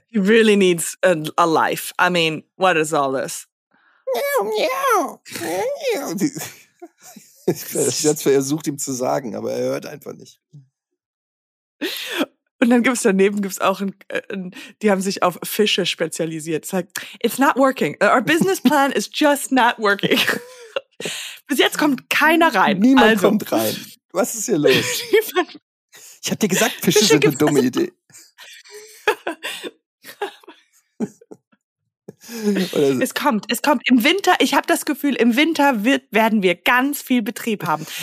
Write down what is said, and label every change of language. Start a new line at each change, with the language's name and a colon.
English: He really needs a life. I mean, what is all this? Miau, miau.
German: Er sucht ihm zu sagen, aber er hört einfach nicht. Und dann gibt's auch die haben sich auf Fische spezialisiert. Es ist
English: like, it's not working. Our business plan is just not working.
German: Bis jetzt kommt keiner rein. Niemand also. Kommt rein. Was ist hier los? Ich hab dir gesagt, Fische sind eine dumme Idee. Es kommt im Winter, ich habe das Gefühl, im Winter werden wir ganz viel Betrieb haben.